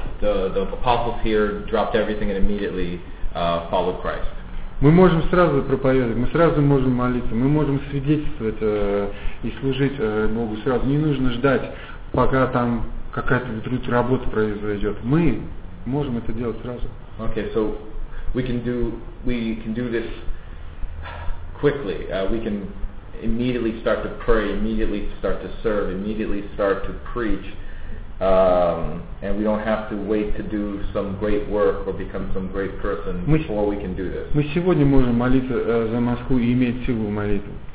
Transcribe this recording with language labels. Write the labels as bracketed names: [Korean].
[English] The apostles here dropped everything and immediately followed Christ. [Russian] Мы можем сразу проповедовать, мы сразу можем молиться, мы можем свидетельствовать и служить Богу сразу. Не нужно ждать, пока там какая-то вдруг работа произойдет. Мы можем это делать сразу. [English] Okay, so we can do this quickly. We can immediately start to pray, immediately start to serve, immediately start to preach. And we don't have to wait to do some great work or become some great person before we can do this. [Russian] Мы сегодня можем молиться за Москву и иметь силу молитвы.